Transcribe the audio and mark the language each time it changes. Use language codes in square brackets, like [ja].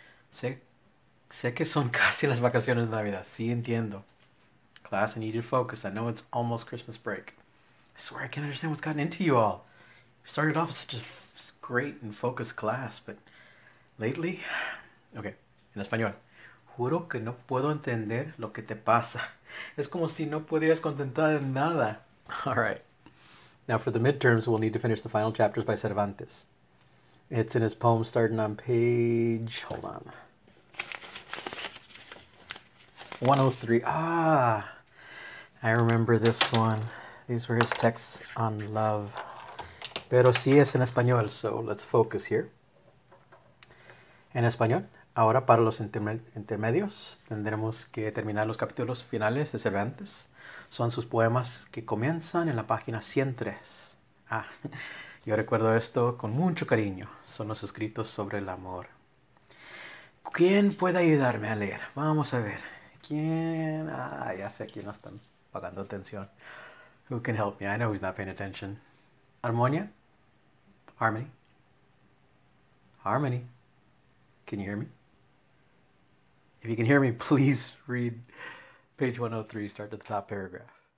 [es] Sé que son casi las vacaciones de Navidad. Sí, entiendo. [en] Class, I need you to focus. I know it's almost Christmas break. I swear I can't understand what's gotten into you all. You started off as such a great and focused class, but lately. [es] Okay, en español. Juro que no puedo entender lo que te pasa. Es como si no pudieras contentar en nada. [en] All right. Now, for the midterms, we'll need to finish the final chapters by Cervantes. It's in his poem starting on page. Hold on. 103. Ah, I remember this one. These were his texts on love. Pero sí es en español, so let's focus here. [es] En español, ahora para los intermedios, tendremos que terminar los capítulos finales de Cervantes. Son sus poemas que comienzan en la página 103. Ah, yo recuerdo esto con mucho cariño. Son los escritos sobre el amor. ¿Quién puede ayudarme a leer? Vamos a ver. ¿Quién? Ah, ya sé quién no está pagando atención. [en] Who can help me? I know who's not paying attention. Armonia? Harmony? Harmony? Can you hear me? If you can hear me, please read page 103, start to the top paragraph.